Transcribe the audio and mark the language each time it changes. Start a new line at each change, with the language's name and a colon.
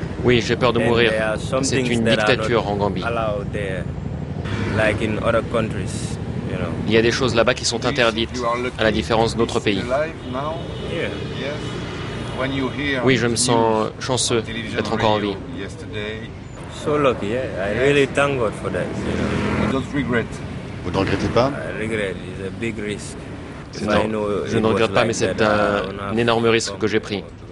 French: Oui, j'ai peur de mourir. C'est une dictature en Gambie.
English: Like in other countries, you know.
French: Il y a des choses là-bas qui sont interdites, à la différence d'autres pays.
English: Yeah. Yes.
French: Oui, je me sens chanceux d'être encore en vie.
English: So lucky, yeah. I really thank God for that. You don't regret.
French: Vous ne regrettez pas?
English: I regret. It's a big risk.
French: Je ne regrette pas, mais c'est un énorme risque que j'ai pris.